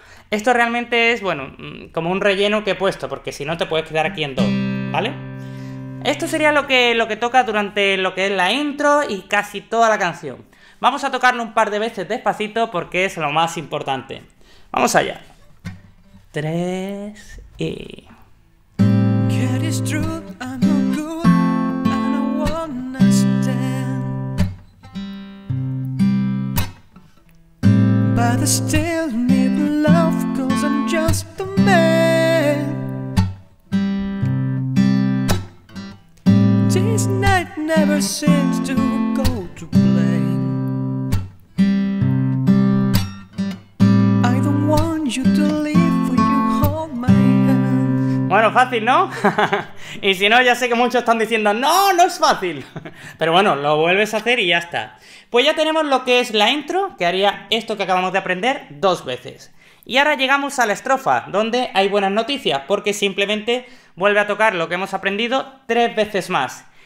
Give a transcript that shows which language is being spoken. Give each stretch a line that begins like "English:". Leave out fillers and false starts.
Spanish: Esto realmente es, bueno, como un relleno que he puesto, porque si no te puedes quedar aquí en Do, ¿vale? Esto sería lo que toca durante lo que es la intro y casi toda la canción. Vamos a tocarlo un par de veces despacito porque es lo más importante. Vamos allá. 3 y...
English: It's true, I'm no good, I don't wanna stand. But I still need love, cause I'm just a man. This night never seems to go to plan. I don't want you to leave, for you hold my.
Spanish: Bueno, fácil, ¿no? Y si no, ya sé que muchos están diciendo ¡no, no es fácil! Pero bueno, lo vuelves a hacer y ya está. Pues ya tenemos lo que es la intro, que haría esto que acabamos de aprender dos veces. Y ahora llegamos a la estrofa, donde hay buenas noticias, porque simplemente vuelve a tocar lo que hemos aprendido tres veces más.